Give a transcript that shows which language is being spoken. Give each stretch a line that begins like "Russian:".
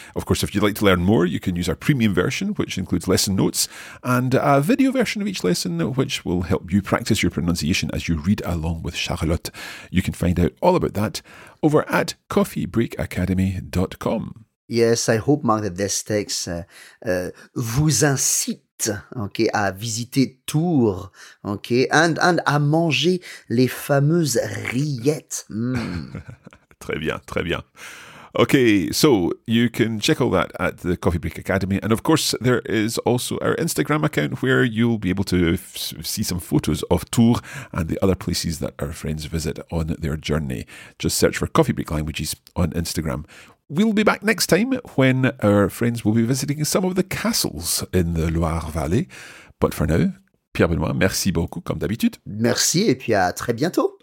English: Of course, if you'd like to learn more, you can use our premium version, which includes lesson notes, and a video version of each lesson, which will help you practice your pronunciation as you read along with Charlotte. You can find out all about that over at coffeebreakacademy.com. Yes, I hope, Mark, that this text
French: vous incite. Okay, à visiter Tours, okay, and à manger les fameuses rillettes. Mm. Très bien, très bien.
English: Okay, so you can check all that at the Coffee Break Academy. And of course, there is also our Instagram account where you'll be able to see some photos of Tours and the other places that our friends visit on their journey. Just search for Coffee Break Languages on Instagram. We'll be back next time when our friends will be visiting some of the castles in the Loire Valley. But for now, Pierre Benoît,
French: merci beaucoup, comme d'habitude. Merci, et puis à très bientôt.